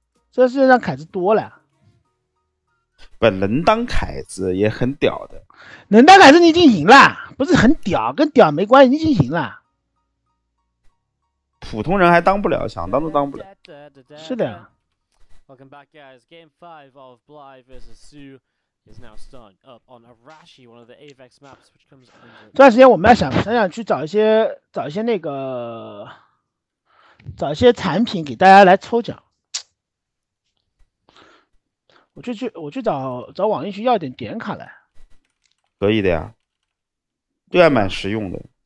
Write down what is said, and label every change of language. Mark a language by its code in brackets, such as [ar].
[zh] 这世界上凯子多了，本能当凯子也很屌的。能当凯子你已经赢了，不是很屌，跟屌没关系，你已经赢了。普通人还当不了，想当都当不了。是的。 [en] Welcome back, guys. Game 5 of Bly vs Sue is now starting up on Arashi, one of the Avex maps, which comes. [zh] 这段时间我们要想去找一些那个，找一些产品给大家来抽奖。我去找网易去要点点卡来，可以的呀，这还蛮实用的。